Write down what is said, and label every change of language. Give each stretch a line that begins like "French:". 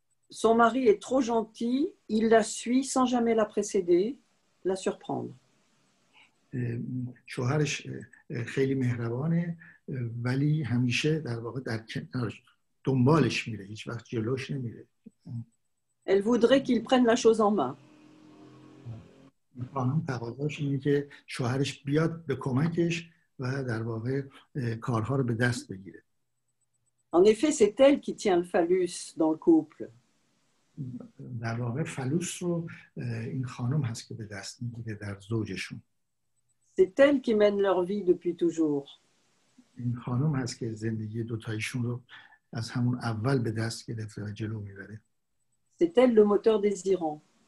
French: Son mari est trop gentil, il la suit sans jamais la précéder, la surprendre.
Persian: شوهرش خیلی مهربانه ولی همیشه در واقع در دنبالش میره هیچ وقت جلوش نمیره
French: elle voudrait qu'il prenne la chose en main
Persian: خانم تقاضاش اینه که شوهرش بیاد به کمکش و در واقع کارها رو به دست بگیره
French: en effet c'est elle qui tient le phallus dans le couple
Persian: در واقع فالوس رو این خانم هست که به دست میگیره در زوجشون
French: C'est elle qui mène leur vie depuis toujours. C'est elle le moteur désirant.